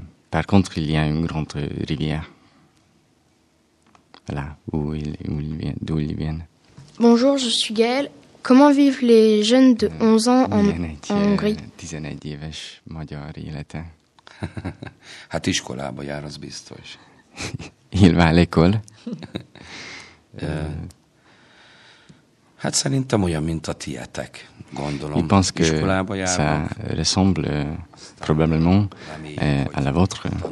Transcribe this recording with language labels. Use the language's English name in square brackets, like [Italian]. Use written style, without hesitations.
[French] Par contre, il y a une grande rivière là d'où ils viennent. Bonjour, je suis Gaëlle. Comment vivent les jeunes de 11 ans en Hongrie? [Hungarian] 11 éves, magyar életen. Hát iskolába jár, az biztos. [French] Il va à l'école. [Hungarian] Hát szerintem olyan, mint a tietek, gondolom. [French] Il pense que ça ressemble probablement à la vôtre.